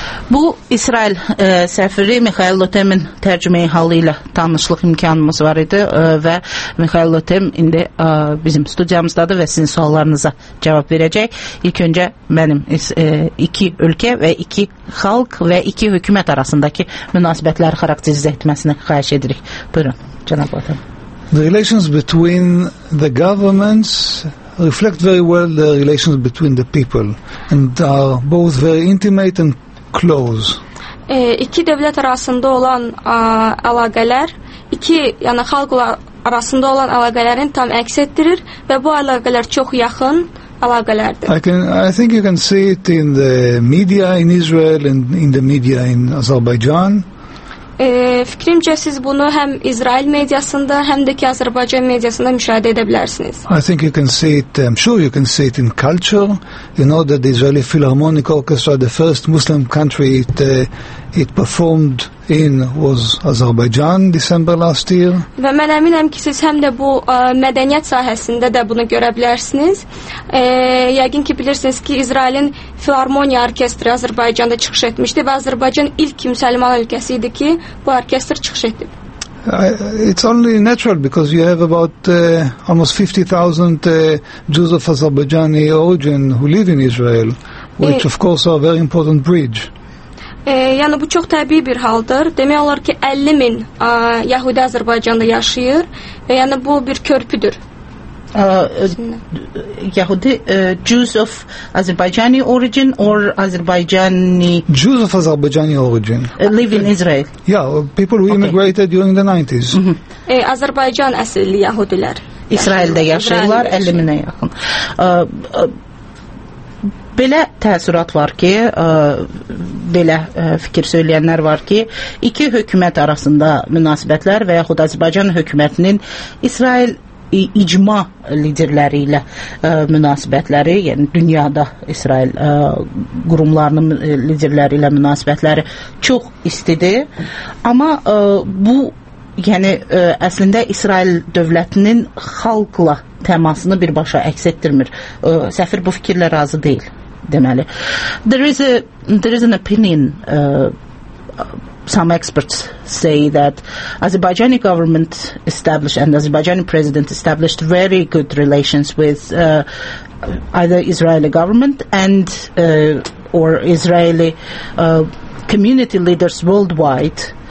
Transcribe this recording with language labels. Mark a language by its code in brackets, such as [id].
[az] Bu İsrail səfiri Mixail Lotemin tərcüməyi halı ilə tanışlıq imkanımız var idi və Mixail Lotem indi bizim studiyamızdadır və sizin suallarınıza cavab verəcək. İlk öncə mənim iki ölkə və iki xalq və iki hökumət arasındakı münasibətləri xarakterizə etməsini xahiş edirik. Buyurun, cənab Lotem. [en] The relations between the governments reflect very well the relations between the people and are both very intimate and close. [az] İki dövlət arasında olan əlaqələr iki, yəni xalq arasında olan əlaqələrin tam əks etdirir və bu əlaqələr çox yaxın əlaqələrdir. [en] I think you can see it in the media in Israel and in the media in Azerbaijan. [az] Fikrimcə siz bunu həm İsrail mediasında, həm də ki Azərbaycan mediasında müşahidə edə bilərsiniz. [en] I think you can see it, I'm sure you can see it in culture. You know that the Israeli Philharmonic Orchestra, the first Muslim country it performed in was Azerbaijan December last year. [az] Və mən əminəm ki siz həm də bu mədəniyyət sahəsində də bunu görə bilərsiniz. Yəqin ki bilirsiniz ki İsrailin Filarmoniya orkestri Azərbaycanda çıxış etmişdi və Azərbaycan ilk müsəlman ölkəsi idi ki bu orkestr çıxış etdi. [en] It's only natural because you have about almost 50,000 Jews of Azerbaijani origin who live in Israel, which of course are a very important bridge. [az] Yəni, bu çox təbii bir haldır. Demək olar ki, 50 min Yahudi Azərbaycanda yaşayır və yəni, bu bir körpüdür. [en] Yahudi, Jews of Azerbaijani origin or Azerbaijani... Jews of Azerbaijani origin. Live in Israel. Yeah, people who immigrated during the 90s. [az] Azərbaycan əsrli Yahudilər. İsraildə yaşayırlar, 50 minə yaxın. Belə təəssürat var ki, belə fikir söyləyənlər var ki, iki hökumət arasında münasibətlər və yaxud Azərbaycan hökumətinin İsrail icma liderləri ilə münasibətləri, yəni dünyada İsrail qurumlarının liderləri ilə münasibətləri çox istidir. Amma bu, yəni əslində İsrail dövlətinin xalqla təmasını birbaşa əks etdirmir. Səfir bu fikirlə razı deyil, deməli. [en] There is an opinion some experts say that Azerbaijani government established and Azerbaijani president established very good relations with either Israeli government and or Israeli community leaders worldwide,